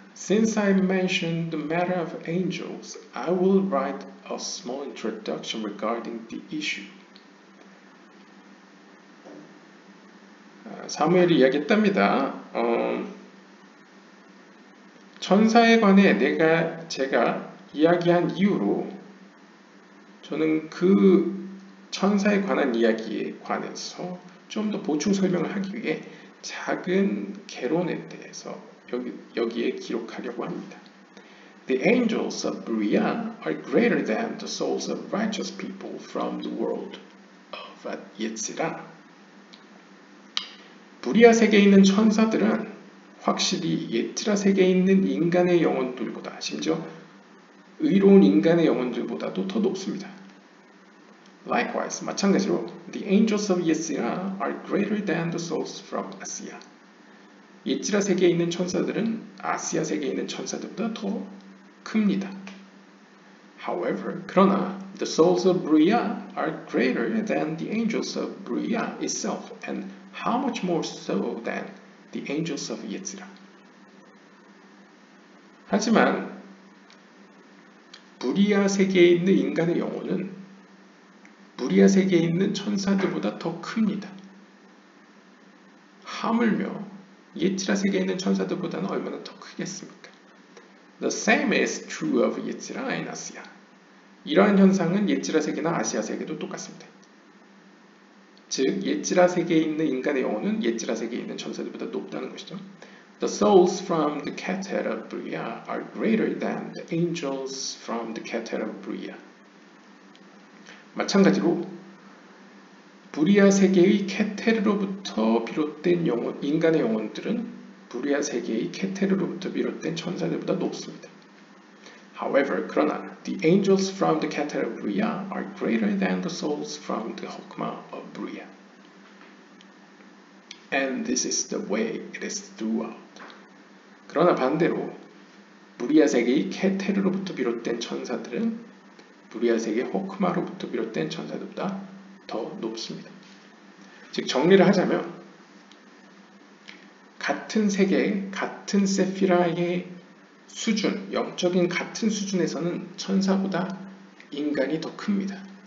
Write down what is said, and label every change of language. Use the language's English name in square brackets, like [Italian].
[English] Since I mentioned the matter of angels, I will write a small introduction regarding the issue. [Korean] 사무엘이 이야기했답니다. 천사에 관해 제가 이야기한 이유로 저는 그 천사에 관한 이야기에 관해서 좀더 보충 설명을 하기 위해 작은 개론에 대해서 여기에 기록하려고 합니다. [English] The angels of Berea are greater than the souls of righteous people from the world of Yetzirah. [Korean] 부리아 세계에 있는 천사들은 확실히 예트라 세계에 있는 인간의 영혼들보다, 심지어 의로운 인간의 영혼들보다도 더 높습니다. [English] Likewise, [Korean] 마찬가지로 [English] The angels of Yetzirah are greater than the souls from Asiya. [Korean] 예트라 세계에 있는 천사들은 아시아 세계에 있는 천사들보다 더 큽니다. [English] However, [Korean] 그러나 [English] The souls of Berea are greater than the angels of Berea itself, and how much more so than the angels of Yetzirah. [Korean] 하지만 부리아 세계에 있는 인간의 영혼은 부리아 세계에 있는 천사들보다 더 큽니다. 하물며 예치라 세계에 있는 천사들보다는 얼마나 더 크겠습니까? [English] The same is true of Yetzirah and Asiya. [Korean] 이러한 현상은 예치라 세계나 아시아 세계도 똑같습니다. 즉, 예지라 세계에 있는 인간의 영혼은 예지라 세계에 있는 천사들보다 높다는 것이죠. [English] The souls from the Keter of Bria are greater than the angels from the Keter of Bria. [Korean] 마찬가지로 부리아 세계의 케테르로부터 비롯된 인간의 영혼들은 부리아 세계의 케테르로부터 비롯된 천사들보다 높습니다. [English] However, [Korean] 그러나 [English] the angels from the Keter of Bria are greater than the souls from the Hokma of Bria. And this is the way it is throughout. [Korean] 그러나 반대로 부리아 세계의 케테르로부터 비롯된 천사들은 부리아 세계 호크마로부터 비롯된 천사들보다 더 높습니다. 즉 정리를 하자면 같은 세계, 같은 세피라의 수준, 영적인 같은 수준에서는 천사보다 인간이 더 큽니다.